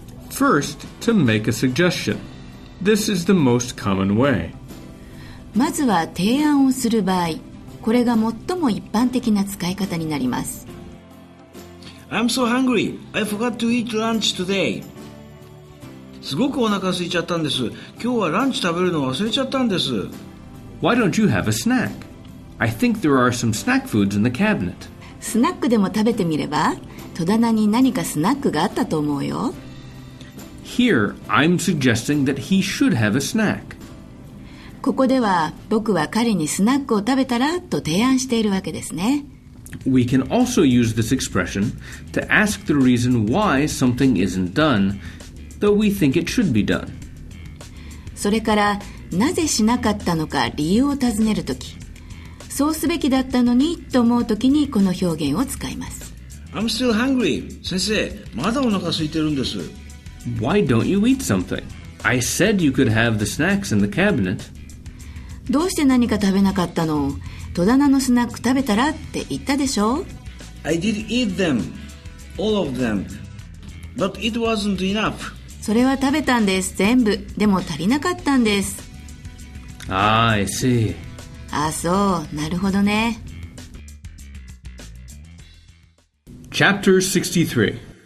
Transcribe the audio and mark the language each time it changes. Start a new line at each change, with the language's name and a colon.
English: First, to make a suggestion. This is the most common way.
Japanese: まずは提案をする場合、これが最も一般的な使い方になります。
English: I'm so hungry. I forgot to eat lunch today.
Japanese: すごくお腹空いちゃったんです。今日はランチ食べるの忘れちゃったんです。
English: Why don't you have a snack? I think there are some snack foods in the cabinet.
Japanese: スナックでも食べてみれば、戸棚に何かスナックがあったと思うよ。
English: Here, I'm suggesting that he should have a snack.
Japanese: ここでは僕は彼にスナックを食べたらと提案しているわけですね。
English: We can also use this expression to ask the reason why something isn't done, though we think it should be done.
Japanese: それからなぜしなかったのか理由を尋ねるとき、そうすべきだったのにと思うときにこの表現を使います。
English: I'm still hungry.
Japanese: 先生、まだお腹空いてるんです。
English: Why don't you eat something? I said you could have the snacks in the cabinet.
Japanese: どうして何か食べなかったの？戸棚のスナック食べたらって言ったでしょ？
English: I did eat them, all of them, but it wasn't enough.
Japanese: それは食べたんです、全部。でも足りなかったんです。
English: Ah, I see.
Japanese: ああ、そう。なるほどね。
English: Chapter 63